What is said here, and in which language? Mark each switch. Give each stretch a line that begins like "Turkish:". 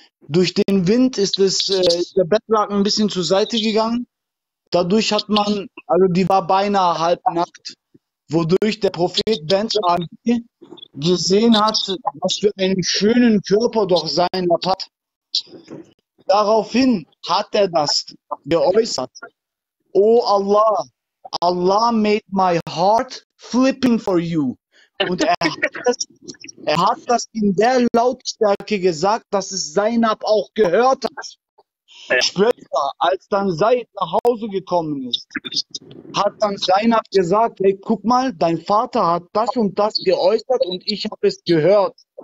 German: Durch den Wind ist es der Bettlaken ein bisschen zur Seite gegangen. Dadurch hat man, also die war beinahe halbnackt, wodurch der Prophet Benz Ali gesehen hat, was für einen schönen Körper doch sein hat. Daraufhin hat er das geäußert.
English: O Allah, Allah made my heart flipping for you.
German: Und er hat das in der Lautstärke gesagt, dass es Zainab auch gehört hat. Später, als dann Zaid nach Hause gekommen ist, hat dann Zainab gesagt, hey, guck mal, dein Vater hat das und das geäußert und ich habe es gehört.